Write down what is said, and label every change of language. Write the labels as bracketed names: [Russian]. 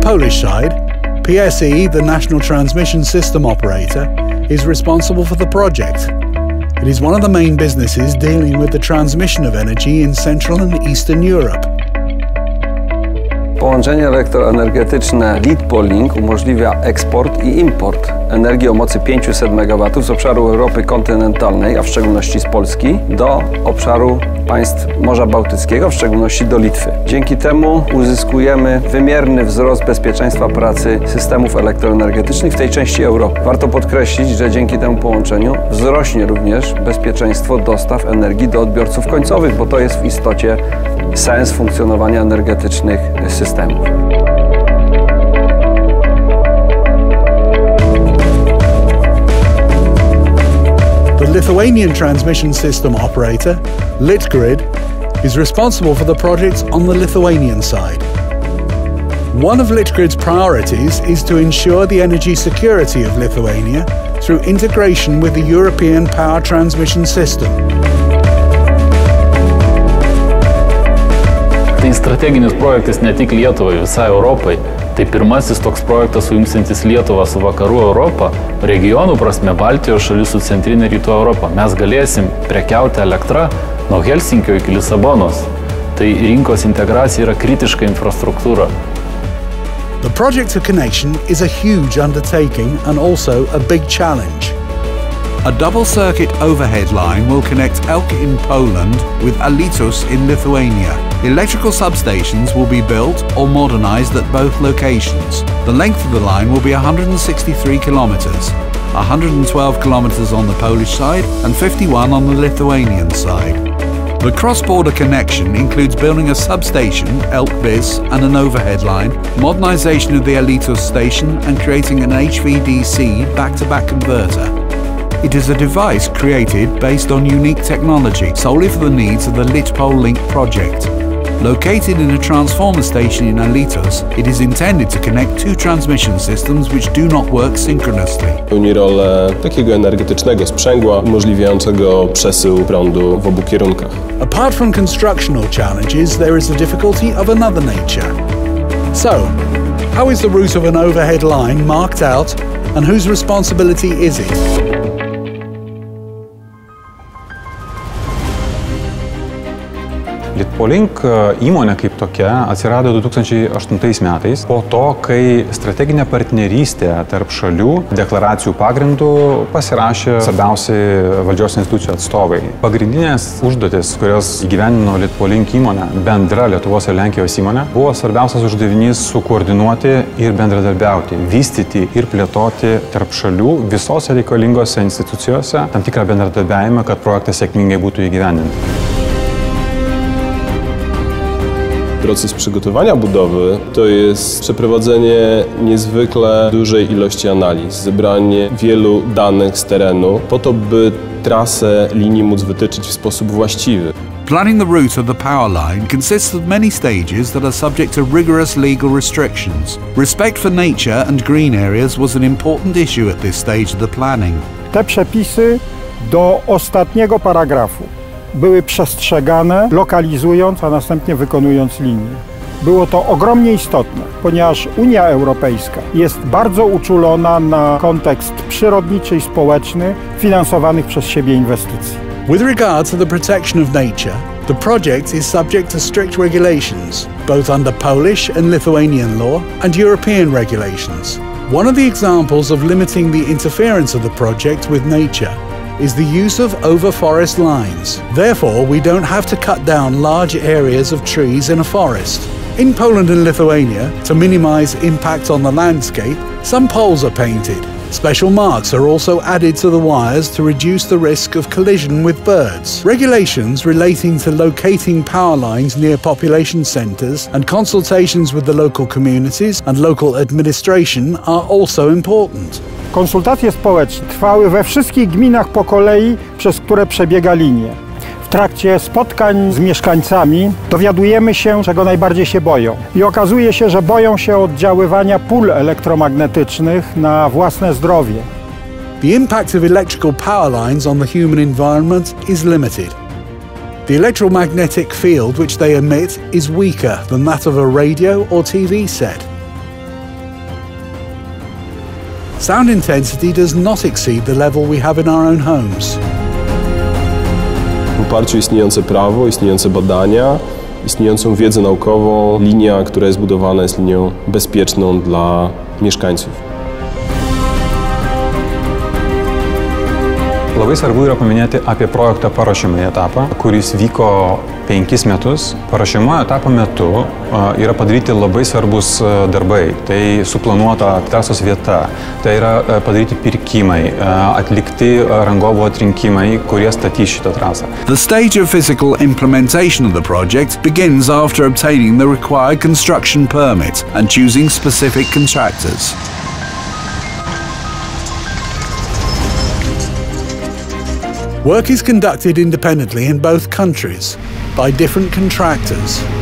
[English] Side, PSE, the National Transmission System Operator, is responsible for the project. It is one of the main businesses dealing with the transmission of energy in Central and Eastern Europe. [Polish] Połączenie elektroenergetyczne LitPol Link umożliwia eksport i import energii o mocy 500 MW z obszaru Europy kontynentalnej, a w szczególności z Polski, do obszaru państw Morza Bałtyckiego, w szczególności do Litwy. Dzięki temu uzyskujemy wymierny wzrost bezpieczeństwa pracy systemów elektroenergetycznych w tej części Europy. Warto podkreślić, że dzięki temu połączeniu wzrośnie również bezpieczeństwo dostaw energii do odbiorców końcowych, bo to jest w istocie sens funkcjonowania energetycznych systemów. [English] The Lithuanian Transmission System Operator, LitGrid, is responsible for the projects on the Lithuanian side. One of LitGrid's priorities is to ensure the energy security of Lithuania through integration with the European power transmission system. [Lithuanian] Strateginis projektas ne tik Lietuvai, visai Europai, Tai pirmasis toks projektas sujungsintis Lietuvą su Vakarų Europą, regionų prasme Baltijos šalis su Centrinė Rytų Europą. Mes galėsim prekiauti elektrą nuo Helsinkio iki Lisabonos. Tai rinkos integracija yra kritiška infrastruktūra. [English] The project of connection is a huge undertaking and also a big challenge. A double-circuit overhead line will connect Elk in Poland with Alytus in Lithuania. Electrical substations will be built or modernized at both locations. The length of the line will be 163 kilometers, 112 kilometers on the Polish side and 51 on the Lithuanian side. The cross-border connection includes building a substation, Elkbiz, and an overhead line, modernization of the Alytus station and creating an HVDC back-to-back converter. It is a device created based on unique technology, solely for the needs of the LitPol Link project. Located in a transformer station in Alytus, it is intended to connect two transmission systems which do not work synchronously. [Polish] Pełni rolę takiego energetycznego sprzęgła umożliwiającego przesył prądu w obu kierunkach. [English] Apart from constructional challenges, there is a difficulty of another nature. So, how is the route of an overhead line marked out and whose responsibility is it? [Lithuanian] LitPol Link įmonė kaip tokia atsirado 2008 metais po to, kai strateginė partnerystė tarp šalių deklaracijų pagrindų pasirašė svarbiausi valdžios institucijų atstovai. Pagrindinės užduotis, kurias įgyvendino LitPol Link įmonė, bendra Lietuvos ir Lenkijos įmonė, buvo svarbiausias uždavinys sukoordinuoti ir bendradarbiauti, vystyti ir plėtoti tarp šalių visose reikalingose institucijose tam tikrą bendradarbiavimą, kad projektas sėkmingai būtų įgyvendinti. [Polish] Proces przygotowania budowy to jest przeprowadzenie niezwykle dużej ilości analiz, zebranie wielu danych z terenu po to, by trasę linii móc wytyczyć w sposób właściwy. [English] Planning the route of the power line consists of many stages that are subject to rigorous legal restrictions. Respect for nature and green areas was an important issue at this stage of the planning. [Polish] Te przepisy do ostatniego paragrafu były przestrzegane, lokalizując, a następnie wykonując linię. Było to ogromnie istotne, ponieważ Unia Europejska jest bardzo uczulona na kontekst przyrodniczy i społeczny finansowanych przez siebie inwestycji. [English] With regard to the protection of nature, the project is subject to strict regulations, both under Polish and Lithuanian law and European regulations. One of the examples of limiting the interference of the project with nature is the use of overforest lines. Therefore, we don't have to cut down large areas of trees in a forest. In Poland and Lithuania, to minimize impact on the landscape, some poles are painted. Special marks are also added to the wires to reduce the risk of collision with birds. Regulations relating to locating power lines near population centers and consultations with the local communities and local administration are also important. [Polish] Konsultacje społeczne trwały we wszystkich gminach po kolei, przez które przebiega linia. W trakcie spotkań z mieszkańcami dowiadujemy się, czego najbardziej się boją. I okazuje się, że boją się oddziaływania pól elektromagnetycznych na własne zdrowie. [English] The impact of electrical power lines on the human environment is limited. The electromagnetic field which they emit is weaker than that of a radio or TV set. Sound intensity does not exceed the level we have in our own homes. [Polish] W oparciu o istniejące prawo, istniejące badania, istniejącą wiedzę naukową, linia, która jest budowana, jest linią bezpieczną dla mieszkańców. [Lithuanian] Labai svarbu yra paminėti apie projekto paruošimąjį etapą, kuris vyko 5 metus. Paruošimo etapo metu yra padaryti labai svarbus darbai. Tai suplanuota trasos vieta, tai yra padaryti pirkimai, atlikti rangovų atrinkimai, kurie statys šitą trasą. [English] The stage of physical implementation of the project begins after obtaining the required construction permit and choosing specific contractors. Work is conducted independently in both countries by different contractors.